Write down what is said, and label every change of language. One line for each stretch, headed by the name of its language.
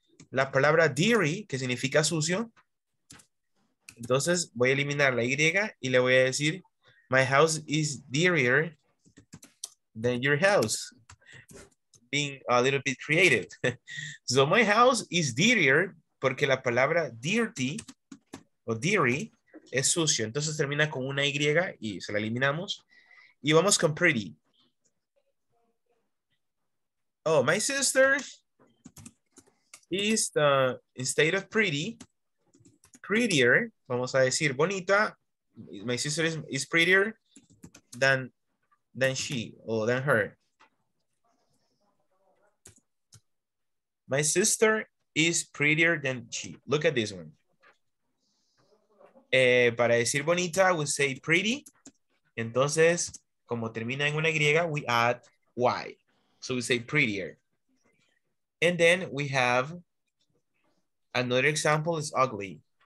Spanish: La palabra deary, que significa sucio. Entonces, voy a eliminar la Y y le voy a decir,
English: my house is dearer than your house. Being a little bit creative. So, my house is dearer
Spanish: porque la palabra dirty o deary es sucio. Entonces, termina con una Y y se la eliminamos. Y vamos con pretty.
English: Oh, my sister is the, instead of pretty, prettier,
Spanish: vamos a decir bonita,
English: my sister is prettier than she or than her. My sister is prettier than she. Look at this one.
Spanish: Para decir bonita,
English: we say pretty.
Spanish: Entonces, como termina en una griega,
English: we add y. So we say prettier. And then we have another example is ugly.